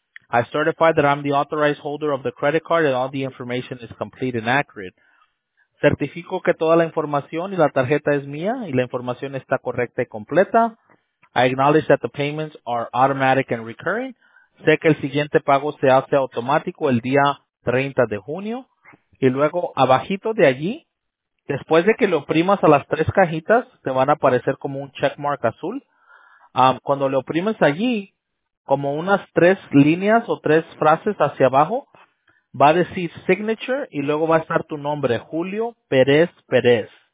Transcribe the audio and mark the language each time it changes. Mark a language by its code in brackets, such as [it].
[en] I certify that I'm the authorized holder of the credit card and all the information is complete and accurate. [es] Certifico que toda la información y la tarjeta es mía y la información está correcta y completa. [en] I acknowledge that the payments are automatic and recurring. [es] Sé que el siguiente pago se hace automático el día 30 de junio. Y luego, abajito de allí, después de que lo oprimas a las tres cajitas, te van a aparecer como un checkmark azul. Cuando lo oprimes allí, como unas tres líneas o tres frases hacia abajo, va a decir signature y luego va a estar tu nombre, Julio Pérez Pérez.